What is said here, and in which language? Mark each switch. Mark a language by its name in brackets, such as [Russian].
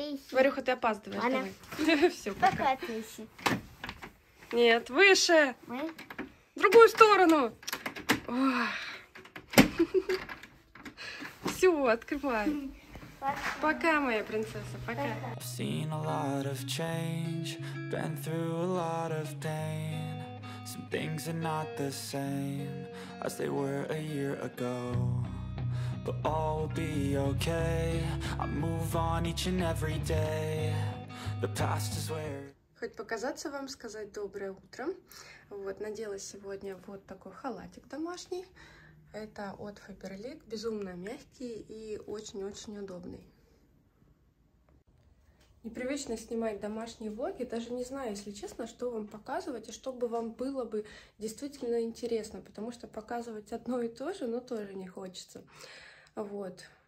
[Russian] Варюха, ты опаздываешь. Ладно. Давай. Все, пока. Пока. Нет, выше. Мы? В другую сторону. Все, открываем. Пока, моя принцесса, пока. [English] I've seen a lot of change, been through a lot of pain. Some things are not the same as they were a year ago. But all will be okay. I move on each and every day. The past is where. [Russian] Хоть показаться вам, сказать доброе утро. Вот, надела сегодня вот такой халатик домашний. Это от Faberlic. Безумно мягкий и очень-очень удобный. Непривычно снимать домашние влоги, даже не знаю, если честно, что вам показывать и что бы вам было бы действительно интересно, потому что показывать одно и то же, но тоже не хочется. Вот.